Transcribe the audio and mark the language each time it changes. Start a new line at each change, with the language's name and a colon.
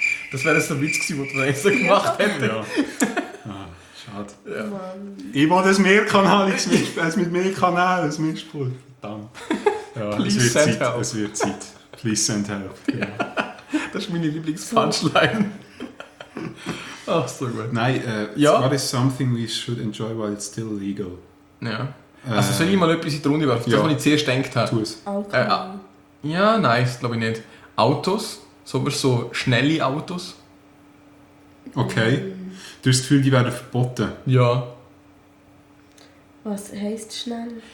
German: Das wäre so ein Witz gewesen, den wir so gemacht hätten. Ja. Ah, schade. Ja. Ich will das Mehrkanal als mit mehr Kanälen, das Mischpult. Dann.
English: Ja, please send
German: Zeit,
English: help.
German: Es wird Zeit.
English: Please send help.
German: Ja. Das ist meine Lieblings-Punchline. Ach, so gut. Nein, ja?
English: What is something we should enjoy while it's still legal?
German: Ja. Also soll ich mal etwas in die Runde werfen? Ja. Das, was ich zuerst gedacht habe. Tu es. Ja, nein, das glaube ich nicht. Autos? So schnelle Autos? Okay. Du hast das Gefühl, die werden verboten? Ja. Was heisst schnell?